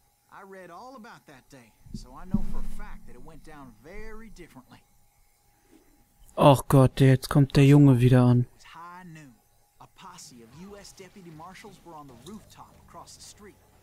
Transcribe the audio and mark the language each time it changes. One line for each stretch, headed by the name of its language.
English: I read all about that day, so I know for a fact that it went down very differently.
German: Ach Gott, jetzt kommt der Junge wieder an.
English: High noon. A posse of US deputy marshals were on the rooftop across the street.